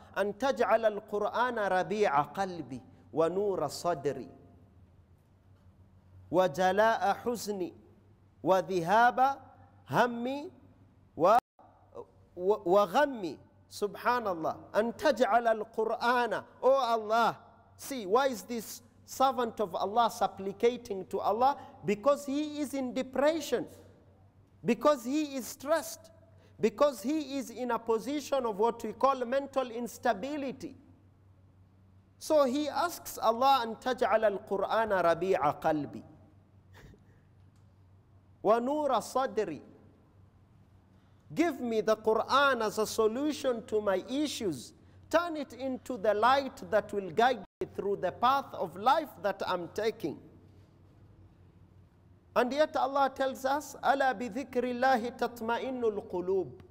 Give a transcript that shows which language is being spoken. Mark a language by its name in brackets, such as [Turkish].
[Arabic] أن تجعل القرآن ربيع قلبي ونور صدري وجلاء حزني وذهاب همي وغمي. سبحان الله. أن تجعل القرآن. [English] Oh Allah. See, why is this servant of Allah supplicating to Allah? Because he is in depression. Because he is stressed. Because he is in a position of what we call mental instability. So he asks Allah, [Arabic] أن تجعل القرآن ربيع قلبي ونور صدري. [English] Give me the Quran as a solution to my issues. Turn it into the light that will guide me through the path of life that I'm taking. And yet Allah tells us, [Arabic] أَلَا بِذِكْرِ اللَّهِ تَطْمَئِنُّ الْقُلُوبِ.